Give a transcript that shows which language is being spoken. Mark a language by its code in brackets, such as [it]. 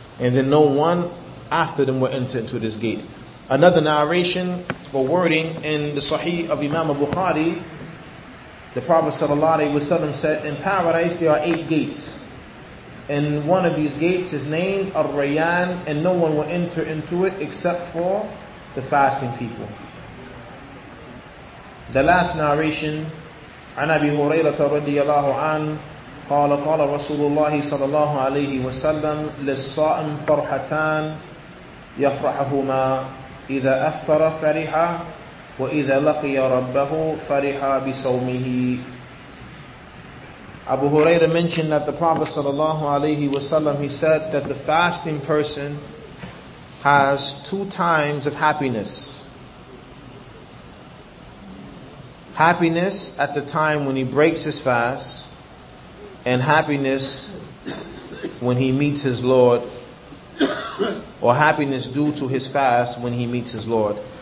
[en] And then no one after them will enter into this gate. Another narration or wording in the Sahih of Imam Bukhari, the Prophet sallallahu alaihi wasallam said, in paradise there are 8 gates. And one of these gates is named Ar-Rayyan, and no one will enter into it except for the fasting people. The last narration, [ar] عن أبي هريرة رضي الله عنه قال قال رسول الله صلى الله عليه وسلم للصائم فرحتان يفرحهما إذا أفطر فرحا وإذا لقي ربه فرحا بصومه. [en] Abu Huraira mentioned that the Prophet sallallahu alaihi wasallam, he said that the fasting person has 2 times of happiness. Happiness at the time when he breaks his fast, and happiness when he meets his Lord, or happiness due to his fast when he meets his Lord.